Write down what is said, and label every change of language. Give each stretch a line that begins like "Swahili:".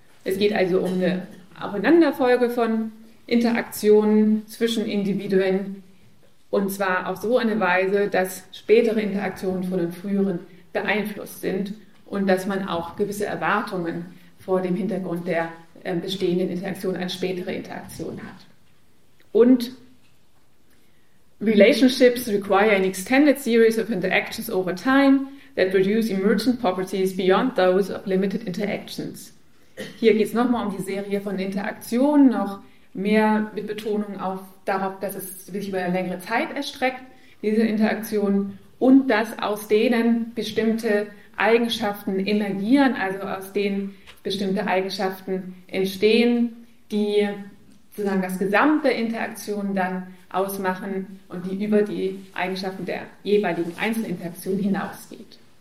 German: Es geht also um eine Aufeinanderfolge von Interaktionen zwischen Individuen, und zwar auf so eine Weise, dass spätere Interaktionen von den früheren beeinflusst sind und dass man auch gewisse Erwartungen vor dem Hintergrund der bestehenden Interaktion an spätere Interaktionen hat.
English: Und relationships require an extended series of interactions over time that produce emergent properties beyond those of limited interactions.
German: Hier geht es nochmal um die Serie von Interaktionen, noch mehr mit Betonung auf darauf, dass es sich über eine längere Zeit erstreckt, diese Interaktionen, und dass aus denen bestimmte Eigenschaften emergieren, also aus denen bestimmte Eigenschaften entstehen, die sozusagen das gesamte Interaktion dann ausmachen und die über die Eigenschaften der jeweiligen Einzelinteraktion hinausgeht.